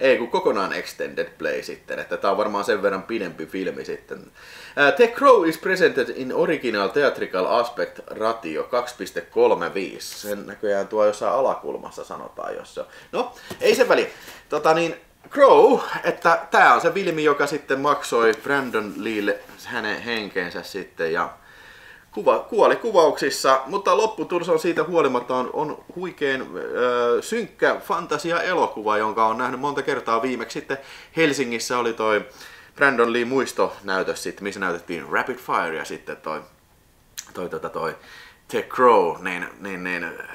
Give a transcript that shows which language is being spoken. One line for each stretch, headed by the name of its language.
Finnish: kokonaan extended play sitten, että tää on varmaan sen verran pidempi filmi sitten.
English: The Crow is presented in original theatrical aspect ratio 2.35.
Finnish: Sen näköjään tuo jossain alakulmassa sanotaan, jossa. No, ei sen väliä. Tota niin, Crow, että tää on se filmi, joka sitten maksoi Brandon Leelle hänen henkeensä sitten ja kuoli kuvauksissa, mutta lopputulos on siitä huolimatta on huikeen synkkä fantasiaelokuva, jonka on nähnyt monta kertaa viimeksi sitten Helsingissä oli toi Brandon Lee muistonäytös sitten, missä näytettiin Rapid Fire ja sitten toi The Crow, niin